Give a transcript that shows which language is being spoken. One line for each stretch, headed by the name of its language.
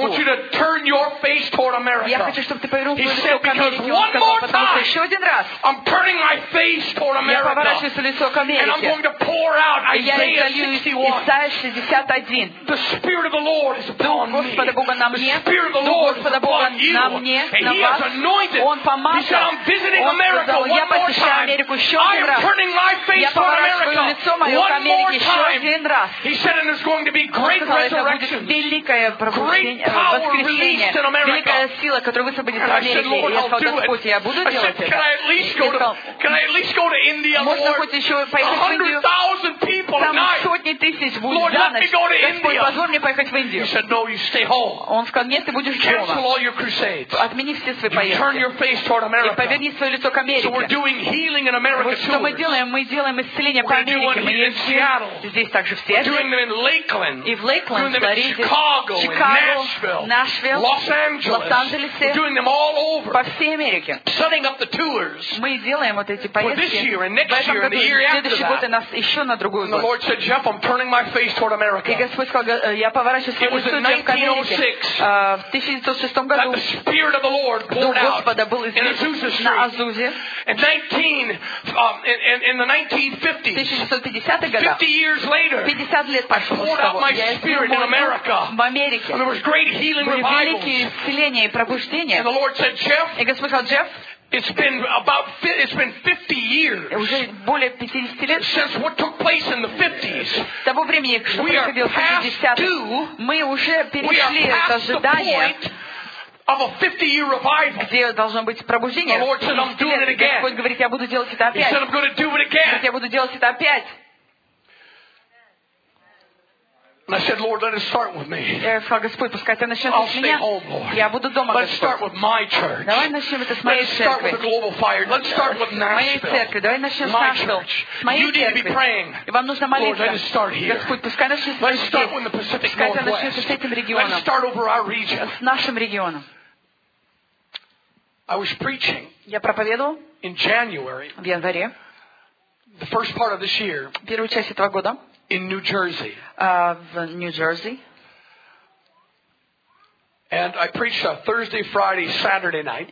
English: I want you to turn your face toward America.
Russian: Я хочу, чтобы ты повернул свое лицо к Америке.
English: He said, because one more time.
Russian: Еще один раз.
English: I'm turning my face toward America.
Russian: Я поворачиваю свое лицо к Америке.
English: And I'm going to pour out Isaiah.
Russian: Исайя 61.
English: The Spirit of the Lord is upon me.
Russian: Господа Бога на мне.
English: The Spirit of the Lord is upon you.
Russian: На мне, на вас. Он помазал.
English: He said, I'm visiting America one more time.
Russian: Я посещаю Америку еще один раз.
English: I am turning my face to America.
Russian: Я поворачиваю лицо мое к Америке еще один раз.
English: He said, and it's going to be great resurrection.
Russian: Великое воскресение. Великая сила, которая высвободится в Америке.
English: I said, Lord, I'll do it.
Russian: Я сказал, Господь, я буду делать это.
English: Can I at least go to? Can I at least go to India, Lord?
Russian: Можно хоть еще поехать в Индию?
English: 100,000 people.
Russian: Сотни тысяч будет
English: Lord,
Russian: за ночь. Господь, позволь мне поехать в Индию.
English: Said, no, you stay home.
Russian: Он сказал, нет, ты будешь
English: cancel
Russian: дома. Отмени все свои поездки.
English: Turn your face toward America.
Russian: И поверни свое лицо к Америке.
English: So we're doing healing in America
Russian: вот что мы делаем? Мы делаем исцеление
English: we're
Russian: по Америке.
English: Doing
Russian: мы
English: in Seattle.
Russian: Здесь также в Сиэтле.
English: Doing them in Lakeland.
Russian: И в Лейкленд,
English: doing them
Russian: в Флориде,
English: Chicago, Chicago, Nashville, Nashville, Los Angeles.
Russian: Лос-Анджелесе.
English: We're doing them all over.
Russian: По всей Америке.
English: Setting up the tours.
Russian: Мы делаем вот эти поездки.
English: For this year and next year and the year after
Russian: следующий год и нас еще на другую.
English: The Lord said, Jeff, I'm turning my face toward America.
Russian: И Господь сказал, я поворачиваю свое лицо в Америке.
English: It was in 1906
Russian: году,
English: that the Spirit of the Lord poured out in Azusa Street. In 1950s, 50 years later, I poured out my Spirit in America.
Russian: В Америке.
English: And there was great healing revivals.
Russian: Были великие исцеления и пробуждения.
English: And the Lord said, Jeff,
Russian: и Господь сказал, Джефф,
English: It's been 50 years
Russian: уже более 50 лет
English: since what took place in the 50s.
Russian: Того времени, что
English: we
Russian: происходило в 50-х, мы уже перешли от ожидания,
English: of a 50-year revival.
Russian: Где должно быть пробуждение?
English: The Lord said, I'm doing it again.
Russian: Господь говорит, я буду делать это опять.
English: He said, I'm going to do it again.
Russian: Я буду делать это опять.
English: And I said, Lord, let it start with me. I'll stay home, Lord.
Russian: Я буду дома.
English: Let's start with my church.
Russian: Давай начнем это с моей церкви.
English: Let's start with the global fire. Let's start with Nashville.
Russian: Давай начнем с Nashville.
English: My church. You need to be praying.
Russian: Вам нужно молиться.
English: Lord, let it start here.
Russian: Господь, пускай начнем.
English: Let's start with the Pacific Northwest. Let's start over our region.
Russian: С нашим регионом.
English: I was preaching.
Russian: Я проповедовал.
English: In January.
Russian: В январе.
English: The first part of this year.
Russian: Первую часть этого года.
English: In New Jersey. Of New Jersey. And I preached a Thursday, Friday, Saturday night.